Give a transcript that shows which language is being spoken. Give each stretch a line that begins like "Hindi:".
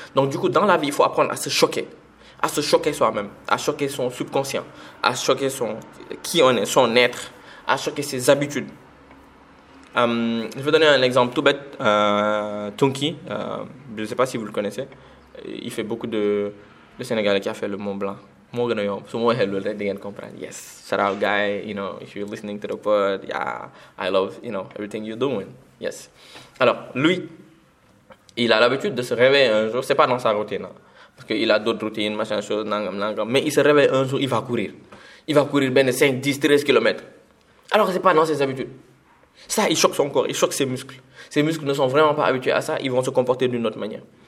French: Donc du coup, dans la vie, il faut apprendre à se choquer. À se choquer soi-même, à choquer son subconscient, à choquer qui on est, son être, à choquer ses habitudes. Je vais donner un exemple tout bête. Tunki, je ne sais pas si vous le connaissez. Il fait beaucoup de... Le Sénégalais qui a fait le Mont Blanc. Morganoyon, so moi hello, let the end comprendre.
English: Yes, shout out guy, you know, if you're listening to the pod, yeah, I love, you know, everything you're doing. Yes.
French: Alors, lui, il a l'habitude de se réveiller un jour, c'est pas dans sa routine, hein, parce qu'il a d'autres routines, machin, chose, mais il se réveille un jour, il va courir. Il va courir bien 5, 10, 13 kilomètres. Alors que c'est pas dans ses habitudes. Ça, il choque son corps, il choque ses muscles. Ses muscles ne sont vraiment pas habitués à ça, ils vont se comporter d'une autre manière.